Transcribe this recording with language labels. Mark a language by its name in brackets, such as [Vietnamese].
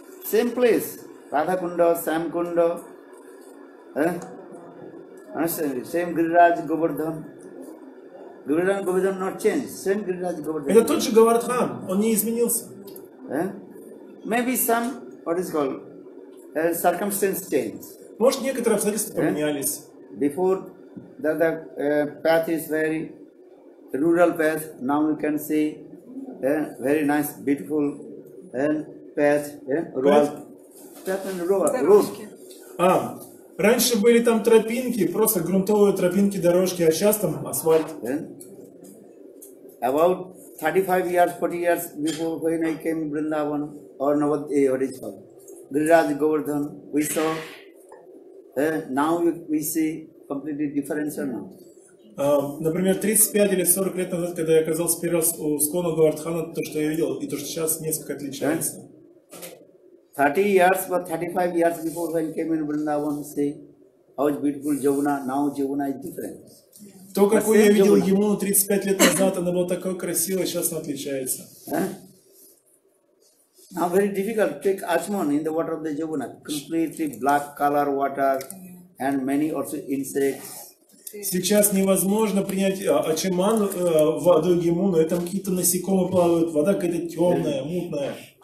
[English] Same place. Radha Kunda, Sam Kunda. Understand? Same Giriraj Govardhan. Giriraj Govardhan not changed. Same Giriraj Govardhan. [Russian] Это тот же Говардхан. Он не изменился. [English] Maybe some, what is called, circumstance change. [Russian] Может, некоторые обстоятельства поменялись. [English] Before, the path is very rural path, now you can see very nice, beautiful path, rural path and road. [Russian] Раньше были там тропинки, просто грунтовые тропинки, дорожки, а сейчас там асфальт. [English] About 35 years, 40 years before when I came to Vrindavan or Navadvip, what is called, Giriraj Govardhan, we saw, now we see completely difference now. [Russian] Например, 35 или 40 лет назад, когда я оказался первый раз у склона Говардхана, то, что я видел, и то, что сейчас несколько отличается. [English] 30 years, but 35 years before when came in Vrindavan, see how beautiful Jamuna, now Jamuna is different. [Russian] То, какую я видел ему 35 лет назад, она была такой красивой, сейчас она отличается. [English] Now very difficult to take Ashman in the water of the Jamuna. Completely black color water and many also insects. [Russian] Сейчас невозможно принять ачиман воду Гемуну, и там какие-то насекомые плавают, вода какая-то темная, мутная.